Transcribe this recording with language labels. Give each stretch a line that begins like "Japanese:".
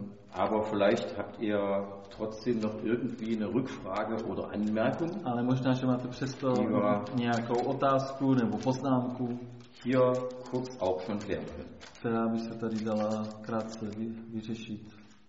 German: Aber vielleicht habt ihr trotzdem noch irgendwie eine Rückfrage oder Anmerkung.
Czech: Ale možná, že máte přesto nějakou otázku nebo poznámku.
German: Hier kurz auch schon klären können.
Czech: Která by se tady dala krátce vyřešit.